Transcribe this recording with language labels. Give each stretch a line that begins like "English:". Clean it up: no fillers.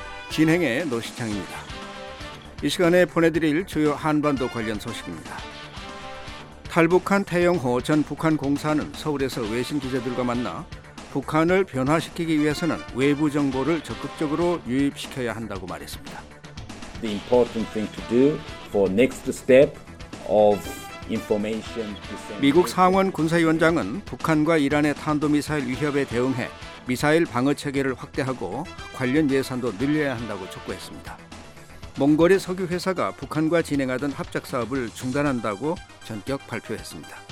Korean: 진행의 노시창입니다. 이 시간에 보내드릴 주요 한반도 관련 소식입니다. 탈북한 태영호 전 북한 공사는 서울에서 외신 기자들과 만나 북한을 변화시키기 위해서는 외부 정보를 적극적으로 유입시켜야 한다고 말했습니다.
English: The important thing to do for next step of information.
Korean: 미국 상원 군사위원장은 북한과 이란의 탄도미사일 위협에 대응해 미사일 방어 체계를 확대하고 관련 예산도 늘려야 한다고 촉구했습니다. 몽골의 석유 회사가 북한과 진행하던 합작 사업을 중단한다고 전격 발표했습니다.